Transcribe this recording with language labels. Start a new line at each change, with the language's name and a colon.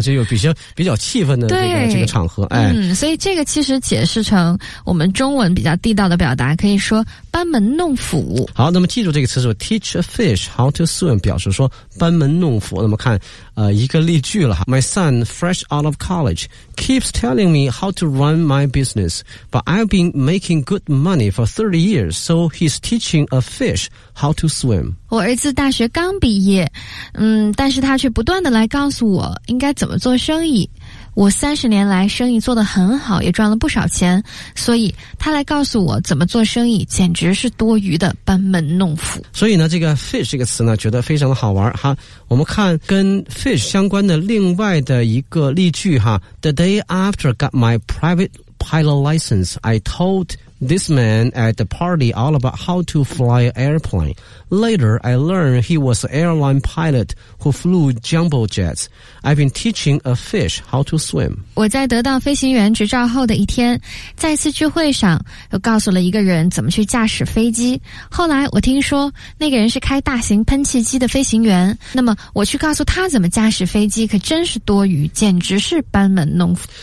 Chinese: 就有比较气愤的这个场合。哎，所以这个其实解释成我们中文比较地道的表达可以说班门弄斧。好，那么记住这个词组
English: teach a fish how to swim，
Chinese: 表示说班门弄斧。那么看一个例句了，
English: my son fresh out of college keeps telling me how to run my business， but I've been making good money for 30 years， so he's teaching a fish how to swim。
Chinese: 我儿子大学刚毕业，但是他却不断地来告诉我应该怎么做生意，我30年来生意做得很好，也赚了不少钱，所以他来告诉我怎么做生意简直是多余的班门弄斧。所以呢，这个 fish 这个词呢觉得非常的好玩哈。我们看跟 fish 相关的另外的一个例句哈，
English: The day after got my private pilot license, I told this man at the party all about how to fly an airplane. Later, I learned he was an airline pilot who flew jumbo jets. I've been teaching a fish how to swim.
Chinese: 我在得到飞行员执照后的一天，在一次聚会上，又告诉了一个人怎么去驾驶飞机。后来我听说那个人是开大型喷气机的飞行员，那么我去告诉他怎么驾驶飞机可真是多余，简直是班门弄斧。